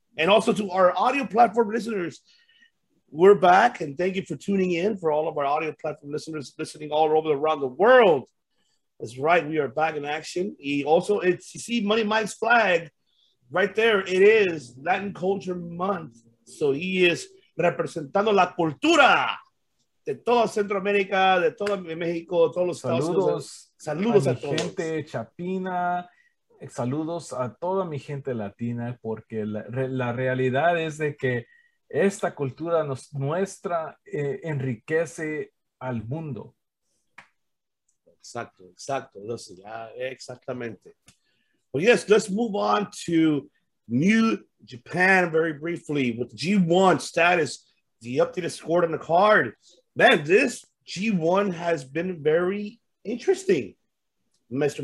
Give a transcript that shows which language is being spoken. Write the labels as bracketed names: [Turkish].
[English] And also to our audio platform listeners, we're back. And thank you for tuning in, for all of our audio platform listeners listening all over around the world. That's right. We are back in action. Also, it's, you see Money Mike's flag right there. It is Latin Culture Month. So he is [Spanish] representando la cultura de toda Centroamérica, de todo México, todos los Estados Unidos. Saludos a mi gente chapina. Saludos a toda mi gente latina, porque la realidad es de que esta cultura nuestra enriquece al mundo. Exacto, exacto. Exactamente. [English] Well, yes, let's move on to New Japan very briefly with G1 status, the updated score on the card. Man, this G1 has been very interesting, Mr.